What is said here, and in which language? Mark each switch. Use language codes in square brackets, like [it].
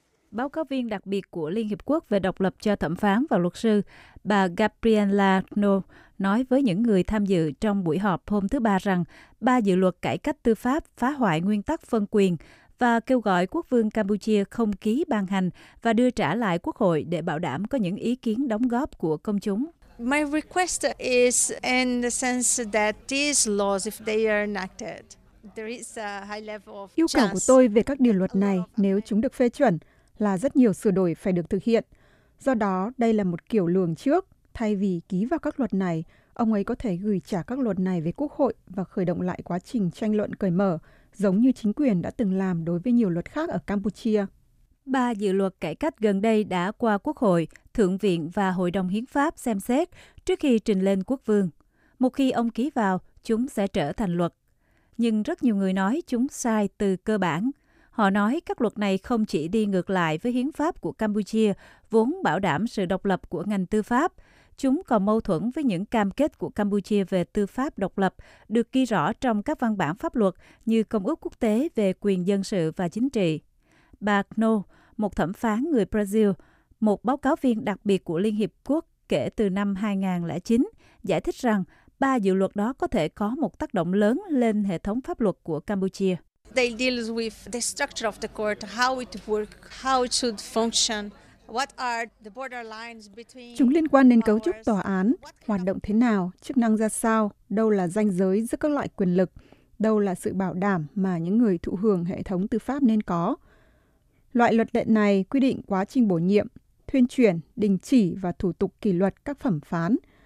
[vi] Báo cáo viên đặc biệt của Liên Hiệp Quốc về độc lập cho thẩm phán và luật sư, bà Gabriela Nô, nói với những người tham dự trong buổi họp hôm thứ Ba rằng 3 dự luật cải cách tư pháp phá hoại nguyên tắc phân quyền và kêu gọi quốc vương Campuchia không ký ban hành và đưa trả lại quốc hội để bảo đảm có những ý kiến đóng góp của công chúng. [en] My request is in the sense that these laws, if they are enacted, there is a high level of [vi] yêu cầu của tôi về các điều luật này nếu chúng được phê chuẩn là rất nhiều sửa đổi phải được thực hiện. Do đó, đây là một kiểu lường trước. Thay vì ký vào các luật này, ông ấy có thể gửi trả các luật này về quốc hội và khởi động lại quá trình tranh luận cởi mở, giống như chính quyền đã từng làm đối với nhiều luật khác ở Campuchia. Ba dự luật cải cách gần đây đã qua quốc hội, Thượng viện và Hội đồng Hiến pháp xem xét trước khi trình lên quốc vương. Một khi ông ký vào, chúng sẽ trở thành luật. Nhưng rất nhiều người nói chúng sai từ cơ bản. Họ nói các luật này không chỉ đi ngược lại với hiến pháp của Campuchia, vốn bảo đảm sự độc lập của ngành tư pháp. Chúng còn mâu thuẫn với những cam kết của Campuchia về tư pháp độc lập, được ghi rõ trong các văn bản pháp luật như Công ước Quốc tế về quyền dân sự và chính trị. Bà Kno, một thẩm phán người Brazil, một báo cáo viên đặc biệt của Liên Hiệp Quốc kể từ năm 2009, giải thích rằng ba dự luật đó có thể có một tác động lớn lên hệ thống pháp luật của Campuchia. [en] They deal with the structure of the court, how it works, how it should function. What are the border lines between? [vi] Chúng liên quan đến cấu trúc tòa án, hoạt động thế nào, chức năng ra sao, đâu là ranh giới giữa các loại quyền lực, đâu là sự bảo đảm mà những người thụ hưởng hệ thống tư pháp nên có. Loại luật lệ này quy định quá trình bổ nhiệm, thuyên chuyển, đình chỉ và thủ tục kỷ luật các phẩm phán.